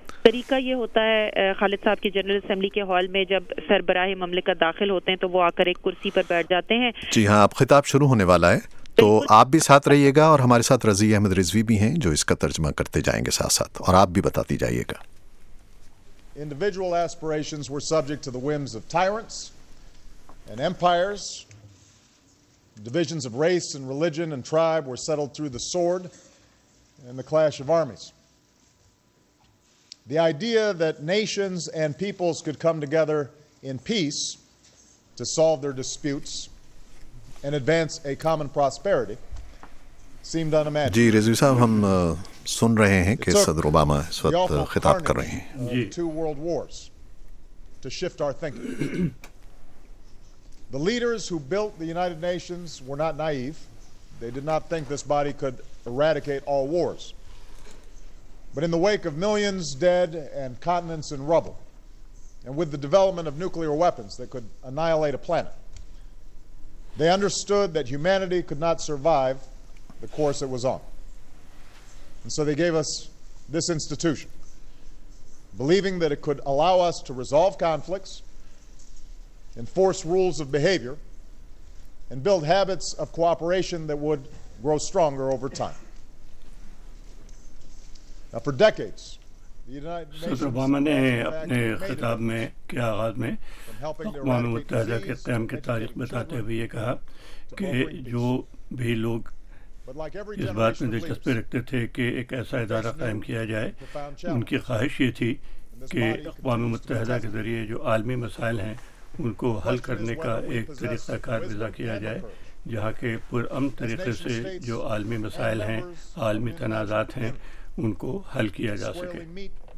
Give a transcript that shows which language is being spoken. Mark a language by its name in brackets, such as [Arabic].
[Urdu] طریقہ یہ ہوتا ہے خالد صاحب کے، جنرل اسمبلی کے ہال میں جب سربراہ مملکت داخل ہوتے ہیں تو وہ آ کر ایک کرسی پر بیٹھ جاتے ہیں۔ جی ہاں، اب خطاب شروع ہونے والا ہے تو آپ بھی ساتھ رہیے گا، اور ہمارے ساتھ رضی احمد رضوی بھی ہیں جو اس کا ترجمہ کرتے جائیں گے ساتھ ساتھ، اور آپ بھی بتاتی جائیے گا۔ [English] individual aspirations were subject to the whims of tyrants and empires. Divisions of race and religion and tribe were settled through the sword and the clash of armies. The idea that nations and peoples could come together in peace to solve their disputes and advance a common prosperity seemed unimaginable. [Urdu] جی رضوی صاحب, ہم سن رہے ہیں کہ صدر Obama اس وقت خطاب کر رہے ہیں. [English] Two world wars to shift our thinking. The leaders who built the United Nations were not naive. They did not think this body could eradicate all wars. But in the wake of millions dead and continents in rubble, and with the development of nuclear weapons that could annihilate a planet, they understood that humanity could not survive the course it was on. And so they gave us this institution, believing that it could allow us to resolve conflicts, enforce rules of behavior, and build habits of cooperation that would grow stronger over time. Now for decades, [Urdu] صدر Obama نے اپنے خطاب میں کے آغاز میں اقوام متحدہ کے قیام کی تاریخ بتاتے ہوئے یہ کہا کہ جو بھی لوگ اس بات میں دلچسپی رکھتے تھے کہ ایک ایسا ادارہ قائم کیا جائے, ان کی خواہش یہ تھی کہ اقوام متحدہ کے ذریعے جو عالمی مسائل ہیں ان کو حل کرنے کا ایک طریقہ کار وضع کیا جائے, جہاں کہ پرامن طریقے سے جو عالمی مسائل ہیں, عالمی تنازعات ہیں, ان کو حل کیا جا سکے.